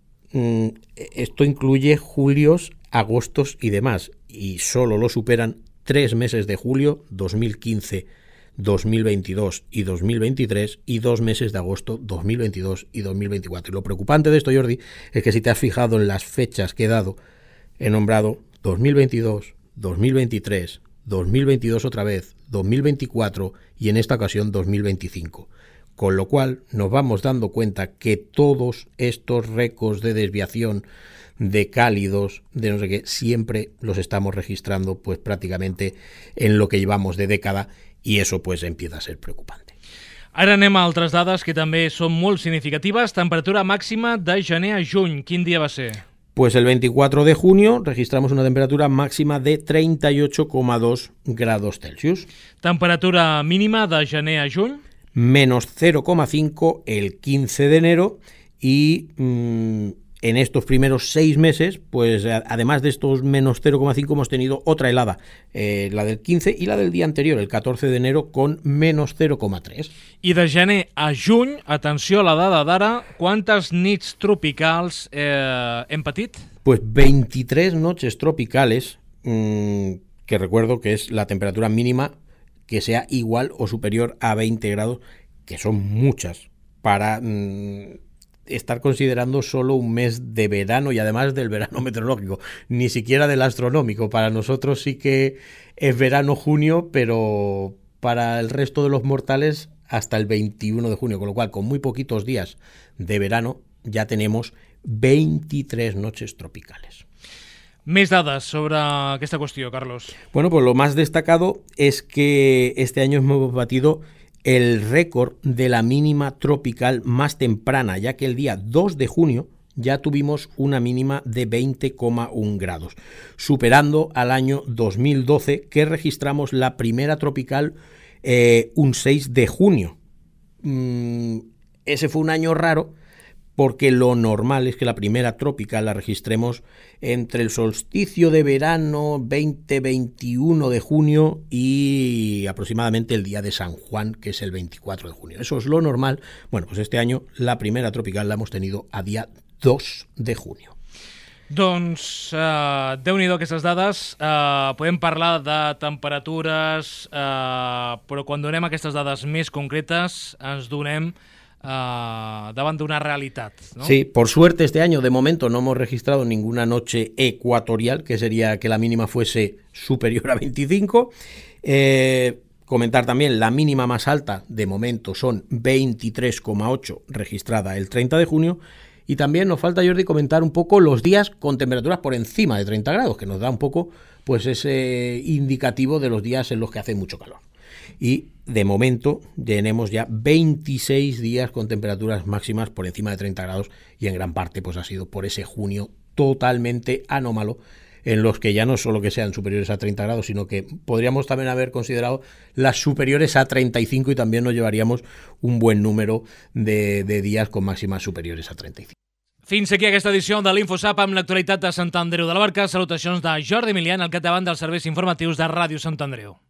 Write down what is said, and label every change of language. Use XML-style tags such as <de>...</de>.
<es>Esto incluye julios, agostos y demás, y solo lo superan tres meses de julio, 2015, 2022 y 2023, y dos meses de agosto, 2022 y 2024. Y lo preocupante de esto, Jordi, es que si te has fijado en las fechas que he dado, he nombrado 2022, 2023, 2022 otra vez, 2024 y en esta ocasión 2025. Con lo cual nos vamos dando cuenta que todos estos récords de desviación, de cálidos, de no sé qué, siempre los estamos registrando pues prácticamente en lo que llevamos de década. Y eso pues empieza a ser preocupante.</es> <ca>Ara anem a altres dades que també són molt significatives. Temperatura màxima de gener a juny, quin dia va ser?</ca> <es>Pues el 24 de junio registramos una temperatura máxima de 38,2 grados Celsius.</es> <ca>Temperatura mínima de gener a juny?</ca> <es>Menos 0,5 el 15 de enero y en estos primeros seis meses, pues además de estos menos 0,5, hemos tenido otra helada, la del 15 y la del día anterior, el 14 de enero, con menos 0,3.</es> <ca>I de gener a juny, atenció a la dada d'ara, ¿quantes nits tropicals hem patit?</ca> <es>Pues 23 noches tropicales, que recuerdo que es la temperatura mínima que sea igual o superior a 20 grados, que son muchas para estar considerando solo un mes de verano, y además del verano meteorológico, ni siquiera del astronómico. Para nosotros sí que es verano junio, pero para el resto de los mortales hasta el 21 de junio, con lo cual con muy poquitos días de verano ya tenemos 23 noches tropicales.</es> <ca>Més dades sobre aquesta qüestió, Carlos.</ca> <es>Bueno, pues lo más destacado es que este año hemos batido el récord de la mínima tropical más temprana, ya que el día 2 de junio ya tuvimos una mínima de 20,1 grados, superando al año 2012, que registramos la primera tropical un 6 de junio. Ese fue un año raro, porque lo normal es que la primera tropical la registremos entre el solsticio de verano 20-21 de junio y aproximadamente el día de San Juan, que es el 24 de junio. Eso es lo normal. Bueno, pues este año la primera tropical la hemos tenido a día 2 de junio.</es> <ca>Doncs, déu-n'hi-do aquestes dades. Podem parlar de temperatures, però quan donem aquestes dades més concretes ens donem davant d'una realitat, no?</ca> <es>Sí, por suerte este año de momento no hemos registrado ninguna noche ecuatorial, que sería que la mínima fuese superior a 25. Comentar también, la mínima más alta de momento son 23,8 registrada el 30 de junio. Y también nos falta, Jordi, comentar un poco los días con temperaturas por encima de 30 grados, que nos da un poco pues ese indicativo de los días en los que hace mucho calor. Y de momento tenemos ya 26 días con temperaturas máximas por encima de 30 grados y en gran parte pues ha sido por ese junio totalmente anómalo, en los que ya no solo que sean superiores a 30 grados, sino que podríamos también haber considerado las superiores a 35 y también nos llevaríamos un buen número de días con máximas superiores a 35.</es> <ca>Fins aquí aquesta edició de l'InfoSap amb l'actualitat de Sant Andreu de la Barca. Salutacions de Jordi Milian, al capdavant dels serveis informatius de Ràdio Sant Andreu.</ca>